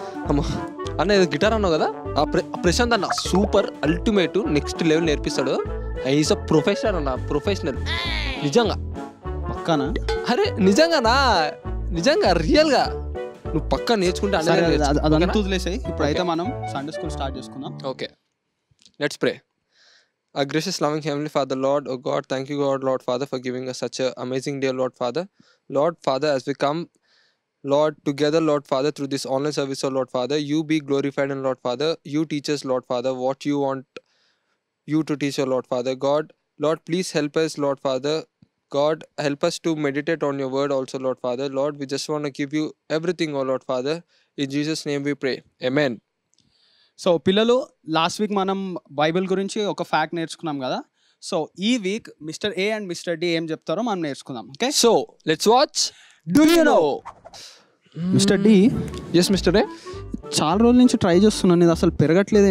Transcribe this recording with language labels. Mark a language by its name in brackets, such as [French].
[Telugu] అమ్మా అన్న, ఏదో గిటార్ అన్నావు కదా, ప్రశాంత్ అన్న super ultimate next level నేర్పిస్తాడు. [English] is a professional అన్న, professional [Telugu] నిజంగా. పక్కనా? అరే నిజంగానా? నిజంగా, రియల్గా. నువ్వు పక్క నేర్చుకుంటే అన్న, అదంతా వదిలేసాయి. ఇప్పుడు అయితే మనం సండే స్కూల్ స్టార్ట్ చేసుకుందాం. [English] Okay, let's pray. A gracious, loving Heavenly Father, Lord, O God, thank you, God, Lord Father, for giving us such an amazing day, Lord Father. Lord Father, as we come, Lord, together, Lord Father, through this online service, O Lord Father, you be glorified, and Lord Father, you teach us, Lord Father, what you want you to teach, O Lord Father. God, Lord, please help us, Lord Father. God, help us to meditate on your word also, Lord Father. Lord, we just want to give you everything, O Lord Father. In Jesus' name we pray. Amen. [Telugu] So పిల్లలు, last week మనం Bible గురించి ఒక fact నేర్చుకున్నాం కదా. So ఈ week mister ఏ and mister D ఏం చెప్తారో మనం నేర్చుకుందాం. Okay, [English] So let's watch. Do you know mister D? Yes mister A. [Telugu] చాలా రోజుల నుంచి ట్రై చేస్తున్నాను, ఇది అసలు పెరగట్లేదు.